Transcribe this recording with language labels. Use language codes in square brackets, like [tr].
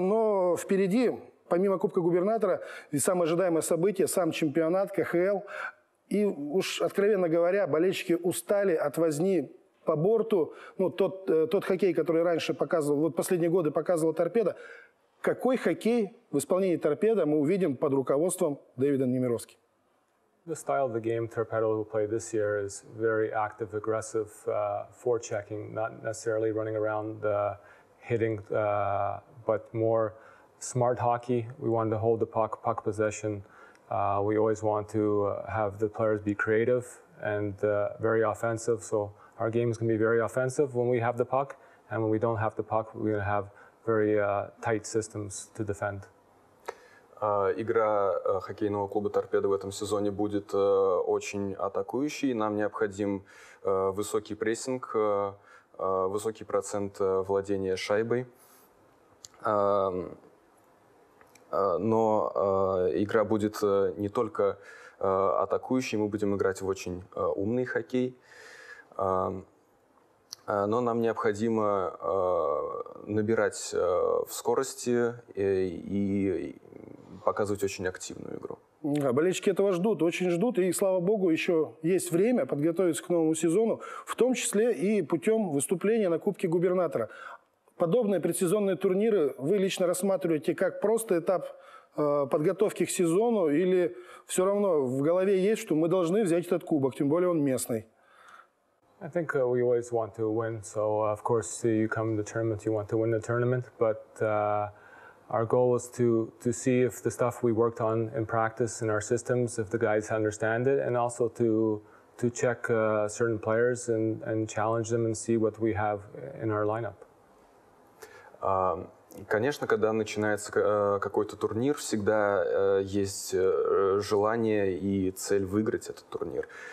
[ru] Но впереди, помимо Кубка губернатора, и самое ожидаемое событие, сам чемпионат, КХЛ. И уж, откровенно говоря, болельщики устали от возни по борту, ну, тот хоккей, который раньше показывал, вот последние годы показывала «Торпедо». Какой хоккей в исполнении «Торпедо» мы увидим под руководством Дэвида Немировски? [en] The style of the game «Торпедо» will play this year is very active, aggressive, forechecking, not necessarily running around, hitting, but more smart hockey. We want to hold the puck possession. We always want to have the players be creative and very offensive, so our game is going to be very offensive when we have the puck, and when we don't have the puck, we're going to have very tight systems to defend. [ru] Игра хоккейного клуба «Торпедо» в этом сезоне будет очень атакующей. Нам необходим высокий прессинг, высокий процент владения шайбой. Но игра будет не только атакующей, мы будем играть в очень умный хоккей. Но нам необходимо набирать в скорости и показывать очень активную игру. Да, болельщики этого ждут, очень ждут. И, слава богу, еще есть время подготовиться к новому сезону, в том числе и путем выступления на Кубке губернатора. Подобные предсезонные турниры вы лично рассматриваете как просто этап подготовки к сезону, или все равно в голове есть, что мы должны взять этот кубок, тем более он местный? [en] I think we always want to win, so of course you come to the tournament, you want to win the tournament, but Our goal was to see if the stuff we worked on in practice in our systems, if the guys understand it, and also to check certain players and challenge them and see what we have in our lineup. [ru] Конечно, когда начинается какой-то турнир, всегда есть желание и цель выиграть этот турнир.